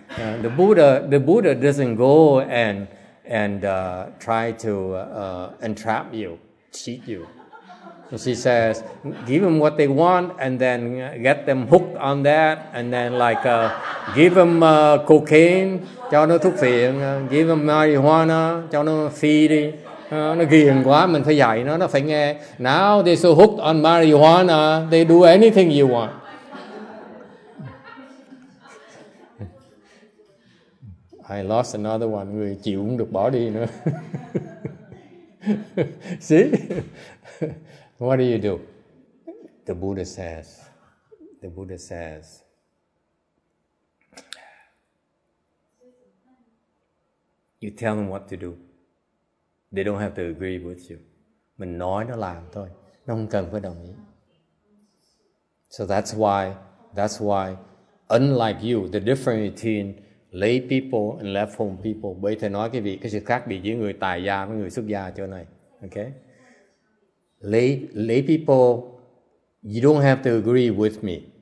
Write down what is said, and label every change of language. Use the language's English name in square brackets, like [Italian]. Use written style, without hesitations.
[English] The Buddha doesn't go and try to entrap you, cheat you. And she says, give them what they want and then get them hooked on that and then like give them cocaine, [Vietnamese] cho nó thuốc phiện, [English] give them marijuana, [Vietnamese] cho nó phi đi. Nó ghiền quá, mình phải dạy nó phải nghe. [English] Now they're so hooked on marijuana, they do anything you want. I lost another one. [Vietnamese] Người chịu cũng được bỏ đi nữa. [English] See? What do you do? The Buddha says, the Buddha says, you tell them what to do. They don't have to agree with you. [Vietnamese] Mình nói nó làm thôi. Nó không cần phải đồng ý. [English] So that's why, unlike you, the difference between lay people and left home people, [Vietnamese] bởi thầy nói cái việc, cái sự khác biệt giữa người tài gia với người xuất gia chỗ này. [English] Okay? Lay people, you don't have to agree with me.